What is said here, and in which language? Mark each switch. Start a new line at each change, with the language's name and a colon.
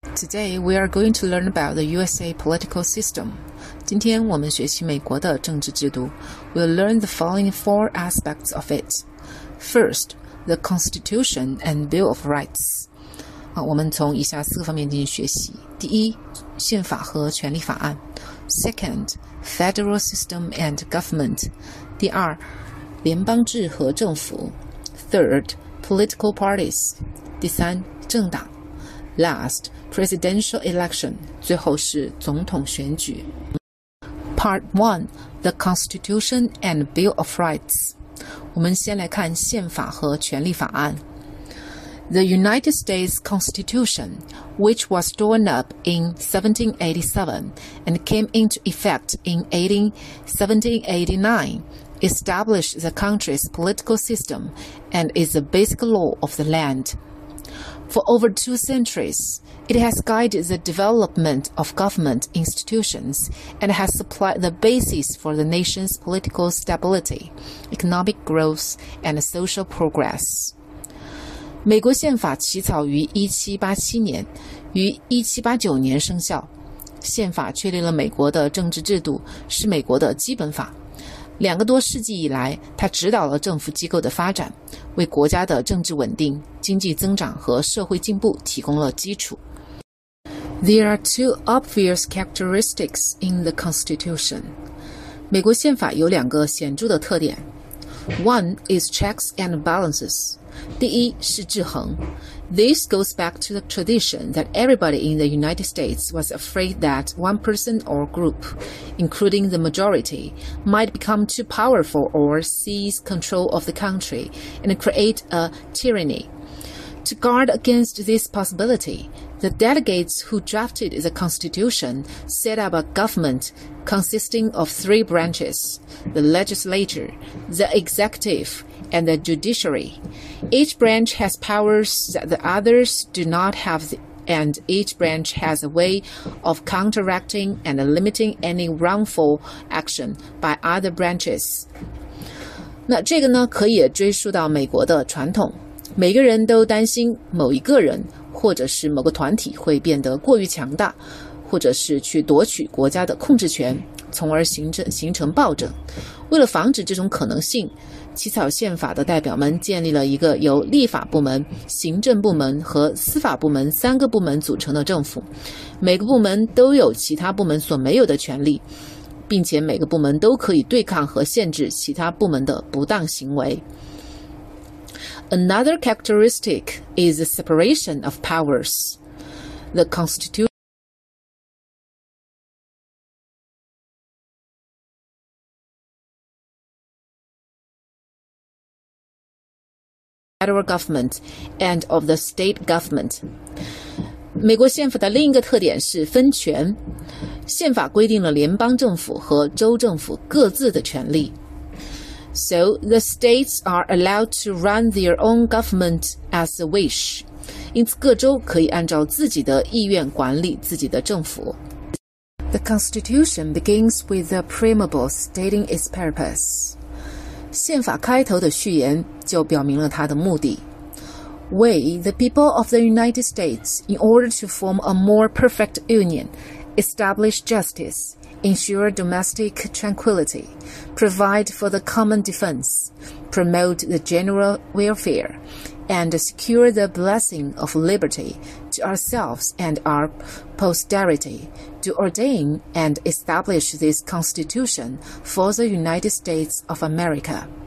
English: Today, we are going to learn about the USA political system.
Chinese: 今天我们学习美国的政治制度。
English: We'll learn the following four aspects of it. First, the Constitution and Bill of Rights.
Chinese: 我们从以下四个方面进行学习。第一，宪法和权利法案。
English: Second, Federal System and Government.
Chinese: 第二，联邦制和政府。
English: Third, Political Parties.
Chinese: 第三，政党。
English: Last, presidential election,
Chinese: 最后是总统选举。
English: Part 1, the Constitution and Bill of Rights.
Chinese: 我们先来看宪法和权利法案。
English: The United States Constitution, which was drawn up in 1787 and came into effect in 1789, established the country's political system and is the basic law of the land. For over two centuries, it has guided the development of government institutions and has supplied the basis for the nation's political stability, economic growth, and social progress.
Chinese: 美国宪法起草于1787年，于1789年生效。宪法确立了美国的政治制度，是美国的基本法。两个多世纪以来，它指导了政府机构的发展，为国家的政治稳定、经济增长和社会进步提供了基础。
English: There are two obvious characteristics in the Constitution.
Chinese: 美国宪法有两个显著的特点。
English: One is checks and balances.
Chinese: 第一是制衡。
English: This goes back to the tradition that everybody in the United States was afraid that one person or group, including the majority, might become too powerful or seize control of the country and create a tyranny. To guard against this possibility, the delegates who drafted the Constitution set up a government consisting of three branches, the legislature, the executive,and the judiciary. Each branch has powers that the others do not have, and each branch has a way of counteracting and limiting any wrongful action by other branches.
Chinese: 那这个呢，可以追溯到美国的传统。每个人都担心某一个人或者是某个团体会变得过于强大，或者是去夺取国家的控制权，从而形成暴政。为了防止这种可能性，起草宪法的代表们建立了一个由立法部门、行政部门和司法部门三个部门组成的政府，每个部门都有其他部门所没有的权利，并且每个部门都可以对抗和限制其他部门的不当行为。
English: Another characteristic is the separation of powers. The Constitution. Federal government and of the state government.
Chinese: 美国宪法的另一个特点是分权。宪法规定了联邦政府和州政府各自的权利。
English: So the states are allowed to run their own government as they wish.
Chinese: 因此各州可以按照自己的意愿管理自己的政府。
English: The Constitution begins with the preamble stating its purpose.
Chinese: 宪法开头的序言就表明了它的目的。
English: We, the people of the United States, in order to form a more perfect union, establish justice, ensure domestic tranquility, provide for the common defense, promote the general welfare, and secure the blessing of liberty to ourselves and our posterity, to ordain and establish this Constitution for the United States of America.